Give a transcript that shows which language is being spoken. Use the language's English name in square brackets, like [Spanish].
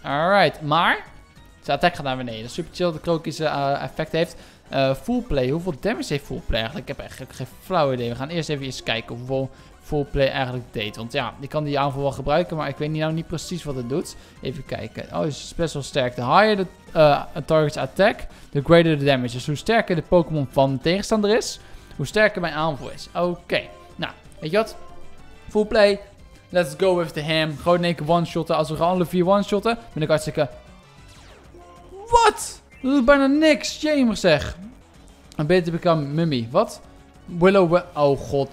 [Dutch] Alright, maar zijn attack gaat naar beneden. Super chill, de krookische effect heeft. Full play. Hoeveel damage heeft full play eigenlijk? Ik heb eigenlijk geen flauw idee. We gaan eerst even eens kijken hoeveel full play eigenlijk deed. Want ja, ik kan die aanval wel gebruiken. Maar ik weet nou niet precies wat het doet. Even kijken. Oh, het is best wel sterk. [English] The higher the target's attack, the greater the damage. [Dutch] Dus hoe sterker de Pokémon van de tegenstander is, hoe sterker mijn aanval is. Oké. Nou, weet je wat? Full play. [English] Let's go with the ham. [Dutch] Gewoon in één keer one-shotten. Als we gaan alle 4 one-shotten, ben ik hartstikke... Wat? Dat doet bijna niks. Jammer zeg. Een beter become mummy. Wat? Willow. Oh god.